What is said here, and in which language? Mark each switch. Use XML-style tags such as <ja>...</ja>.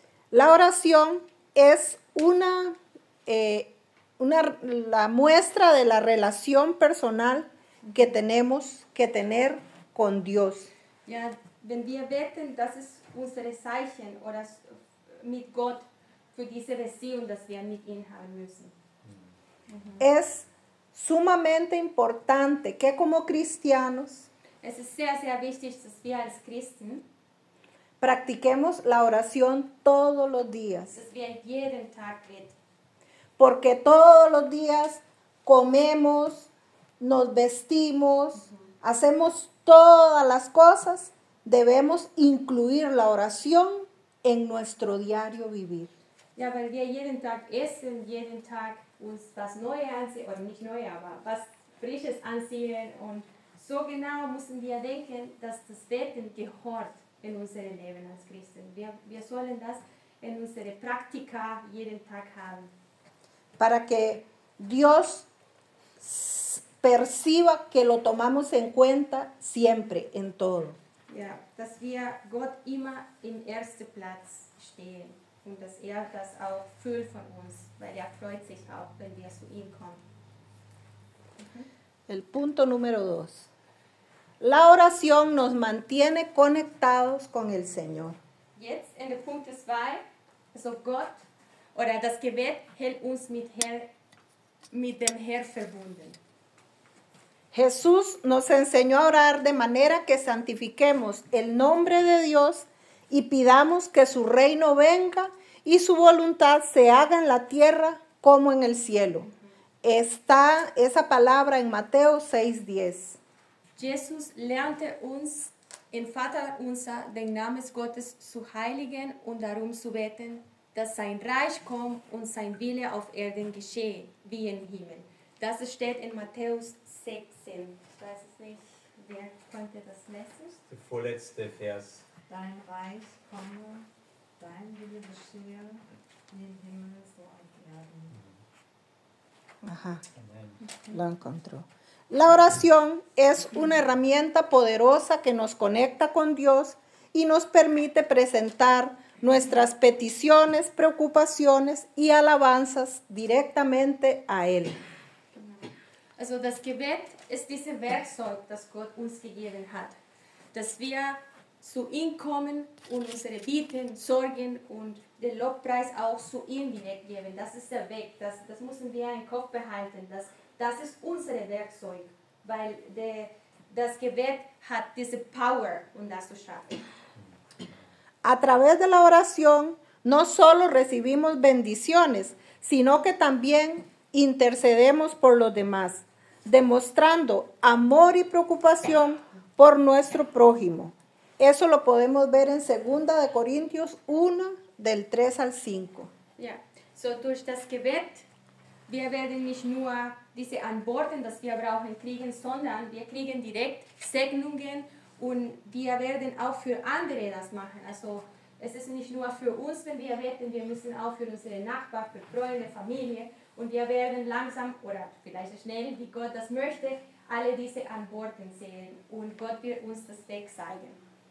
<es>La oración es una, la muestra de la relación personal que tenemos que tener con Dios.</es> <de>Ja, wenn wir beten, das ist unser Zeichen oder mit Gott für diese Beziehung, dass wir mit ihm haben müssen.</de> <es>Es sumamente importante que como cristianos,</es> <de>es ist sehr, sehr wichtig, dass wir als Christen</de> <es>practiquemos la oración todos los días.</es> <de>Dass wir jeden Tag beten.</de> <es>Porque todos los días comemos, nos vestimos, hacemos todas las cosas, debemos incluir la oración en nuestro diario vivir.</es> <de>Ja, weil wir jeden Tag essen, jeden Tag uns was Neues anziehen, oder nicht neu, aber was Frisches anziehen. Und so genau müssen wir denken, dass das Beten gehört in unser Leben als Christen. Wir sollen das in unsere Praktika jeden Tag haben.</de> <es>Para que Dios perciba que lo tomamos en cuenta siempre, en todo.</es> <de>Ja, dass wir Gott immer im ersten Platz stehen und dass er das auch fühlt von uns, weil er freut sich auch, wenn wir zu ihm kommen.</de> <es>El punto número dos. La oración nos mantiene conectados con el Señor.</es> <de>Jetzt</de> <es>en el punto 2,</es> <de>also Gott oder das Gebet hält uns mit dem Herr verbunden.</de> <es>Jesús nos enseñó a orar de manera que santifiquemos el nombre de Dios y pidamos que su reino venga y su voluntad se haga en la tierra como en el cielo. Está esa palabra en Mateo 6:10.</es> <de>Jesús lernte uns, en Vater unser, den Namen Gottes zu heiligen und darum zu beten, dass sein Reich komme und sein Wille auf Erden geschehe, wie im Himmel. Das steht in Matthäus 16. Ich weiß es nicht, wer konnte das lesen? Der vorletzte Vers. Dein Reich komme, dein Wille geschehe, wie im Himmel so auf Erden.</de> <es>Aha. Amen. Lo encontró. La oración es una herramienta poderosa que nos conecta con Dios y nos permite presentar nuestras peticiones, preocupaciones y alabanzas directamente a Él.</es> <de>Also das Gebet ist dieses Werkzeug, das Gott uns gegeben hat, dass wir zu ihm kommen und unsere Bitten, Sorgen und den Lobpreis auch zu ihm direkt geben. Das ist der Weg, das müssen wir im Kopf behalten, dass das ist unser Werkzeug, weil das Gebet hat diese Power, um das zu schaffen.</de> <es>A través de la oración, no solo recibimos bendiciones, sino que también intercedemos por los demás, demostrando amor y preocupación por nuestro prójimo. Eso lo podemos ver en 2 de Corintios 1, del 3 al 5.</es> <de>Ja, so durch das Gebet, wir werden nicht nur diese Antworten, die wir brauchen, kriegen, sondern wir kriegen direkt Segnungen und wir werden auch für andere das machen. Also es ist nicht nur für uns, wenn wir beten, wir müssen auch für unsere Nachbarn, für Freunde, Familie und wir werden langsam oder vielleicht schnell, wie Gott das möchte, alle diese Antworten sehen und Gott wird uns das Weg zeigen.</de>